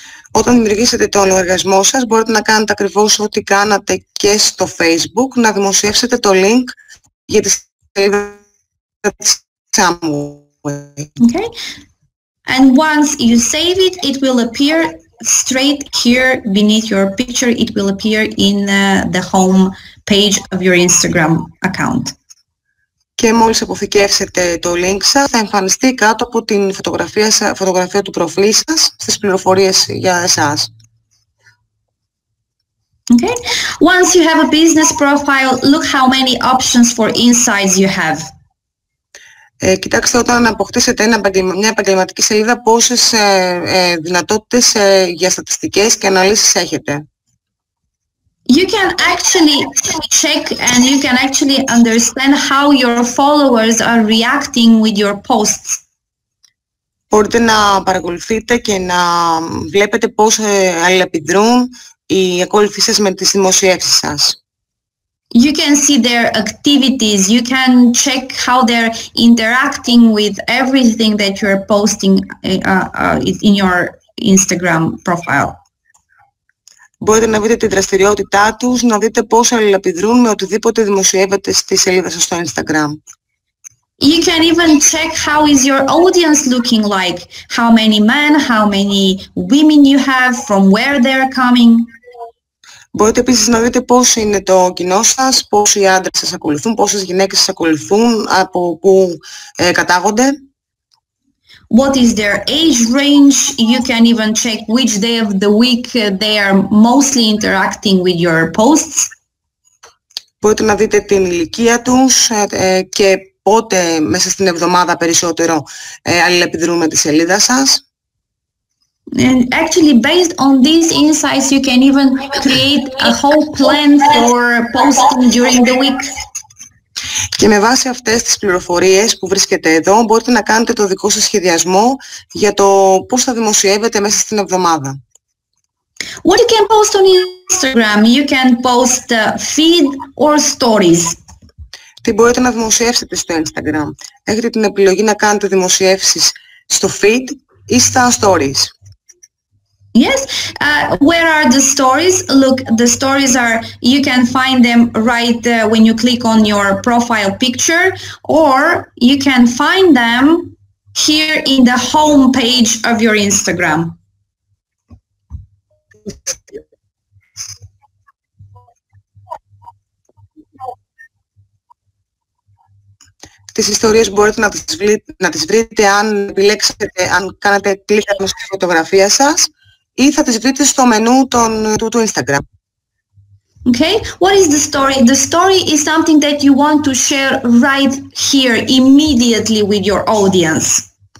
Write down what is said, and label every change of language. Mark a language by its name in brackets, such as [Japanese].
[Greek] Όταν δημιουργήσετε τον λογαριασμό σας, μπορείτε να κάνετε ακριβώς ό,τι κάνατε και στο Facebook, να δημοσιεύσετε το link για τη σελίδα της Amway. [English] Okay. And once you save it, it will appear straight here beneath your picture. It will appear in the home page of your Instagram account. [Greek] Και μόλις αποθηκεύσετε το link σας, θα εμφανιστεί κάτω από την φωτογραφία του προφίλ σας στις πληροφορίες για εσάς. [English] Okay. Once you have a business profile, look how many options for insights you have. [Greek] Κοιτάξτε, όταν αποκτήσετε μια επαγγελματική σελίδα, πόσες δυνατότητες για στατιστικές και αναλύσεις έχετε. [English] You can actually check and you can actually understand how your followers are reacting with your posts. [Greek] Μπορείτε να παρακολουθείτε και να βλέπετε πώς αλληλεπιδρούν οι ακόλουθοί σας με τις δημοσιεύσεις σας. [English] You can see their activities, you can check how they're interacting with everything that you're posting in your Instagram profile. [Greek] Μπορείτε να δείτε τη δραστηριότητά τους, να δείτε πώς αλληλεπιδρούν με οτιδήποτε δημοσιεύεται στη σελίδα σας στο Instagram. [English] You can even check how is your audience looking like, how many men, how many women you have, from where they're coming. [Greek] Μπορείτε επίσης να δείτε πώς είναι το κοινό σας, πόσοι άντρες σας ακολουθούν, πόσες γυναίκες σας ακολουθούν, από πού κατάγονται. [English] What is their age range? You can even check which day of the week they are mostly interacting with your posts. [Greek] Μπορείτε να δείτε την ηλικία τους και πότε μέσα στην εβδομάδα περισσότερο αλληλεπιδρούν με τη σελίδα σας. [English] And actually, based on these insights, you can even create a whole plan for posting during the week. [Greek] Και με βάση αυτές τις πληροφορίες που βρίσκετε εδώ, μπορείτε να κάνετε το δικό σας σχεδιασμό για το πώς θα δημοσιεύετε μέσα στην εβδομάδα. [English] What you can post on Instagram, you can post feed or stories. [Greek] Τι μπορείτε να δημοσιεύσετε στο Instagram. Έχετε την επιλογή να κάνετε δημοσιεύσεις στο feed ή στα stories. [English] Yes, where are the stories? Look, the stories are, you can find them right when you click on your profile picture, or you can find them here in the home page of your Instagram. [Greek] Τις ιστορίες μπορείτε να τις βρείτε αν επιλέξετε, αν κάνετε κλικ στη φωτογραφία σας. Ή θα τις βρείτε στο μενού του Instagram. [English] Okay, what is the story? The story is something that you want to share right here, immediately with your audience.